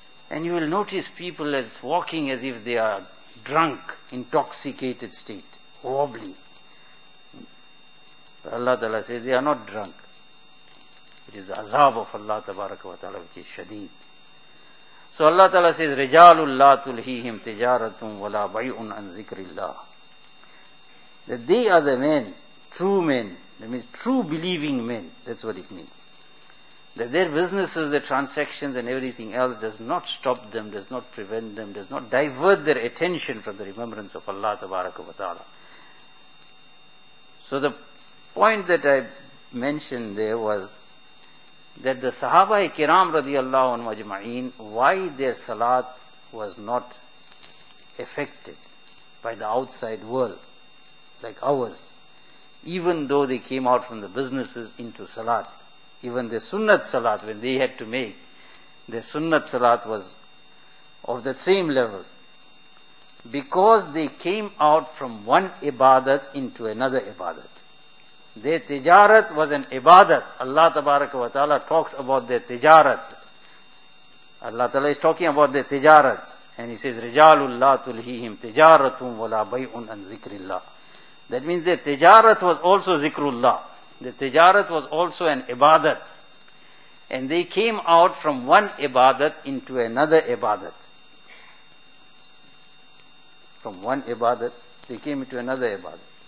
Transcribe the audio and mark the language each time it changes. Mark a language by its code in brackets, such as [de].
[en] And you will notice people as walking as if they are drunk, intoxicated state, wobbly. Allah Ta'ala says they are not drunk. It is the azab of Allah Tabaraka wa Ta'ala which is shadeed. So Allah Ta'ala says, [ar] رِجَالٌ لَا تُلْهِهِمْ تِجَارَةٌ وَلَا بَيْءٌ عَنْ ذِكْرِ اللَّهِ. [en] That they are the men, true men, that means true believing men, that's what it means. That their businesses, their transactions and everything else does not stop them, does not prevent them, does not divert their attention from the remembrance of Allah Tabaraka wa Ta'ala. So the point that I mentioned there was that the Sahaba-e-Kiram radiallahu anhu ajma'een, why their salat was not affected by the outside world like ours, even though they came out from the businesses into salat. Even the sunnat salat, when they had to make, the sunnat salat was of that same level. Because they came out from one ibadat into another ibadat. Their tijarat was an ibadat. Allah tabaraka wa ta'ala talks about their tijarat. Allah ta'ala is talking about their tijarat. And he says, [ar] رِجَالٌ لَا تُلْهِيهِمْ تِجَارَةٌ وَلَا بَيْءٌ أَنْ ذِكْرِ اللَّهِ. [en] That means their tijarat was also zikrullah. The tijarat was also an ibadat. And they came out from one ibadat into another ibadat. From one ibadat, they came into another ibadat.